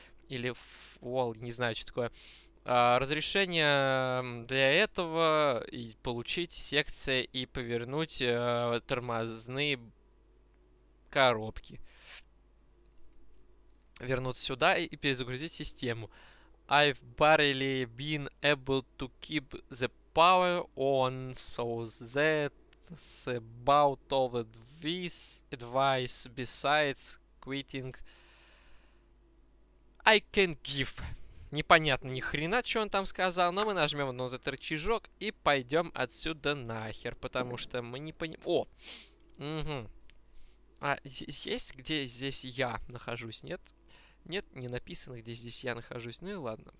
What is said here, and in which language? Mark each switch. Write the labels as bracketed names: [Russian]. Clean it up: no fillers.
[Russian] Или wall, не знаю, что такое. Разрешение для этого и получить секции и повернуть тормозные... коробки. Вернуться сюда и перезагрузить систему. [English] I've barely been able to keep the power on, so that's about all this advice besides quitting I can give. [Russian] Непонятно ни хрена, что он там сказал, но мы нажмем вот этот рычажок и пойдем отсюда нахер, потому что мы не поним... О! Угу. А здесь есть, где здесь я нахожусь, нет? Нет, не написано, где здесь я нахожусь. Ну и ладно.